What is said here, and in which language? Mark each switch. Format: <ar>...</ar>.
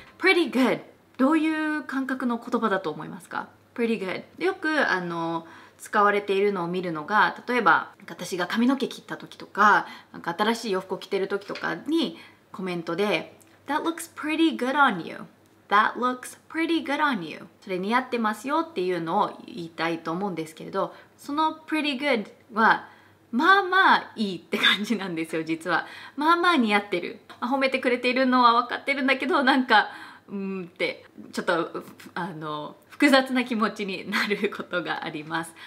<ja>Pretty good、 どういう感覚の言葉だと思いますか？</ja> <en>Pretty good.</en> <ja>よく使われているのを見るのが、例えば私が髪の毛切った時と か、 なんか新しい洋服を着てる時とかにコメントで</ja> <en>That looks pretty good on you. That looks pretty good on you.</en> <ja>それ似合ってますよっていうのを言いたいと思うんですけれど、その Pretty good はまあまあいいって感じなんですよ。実はまあまあ似合ってる、褒めてくれているのは分かってるんだけど、なんかうんってちょっと複雑な気持ちになることがあります。</ja>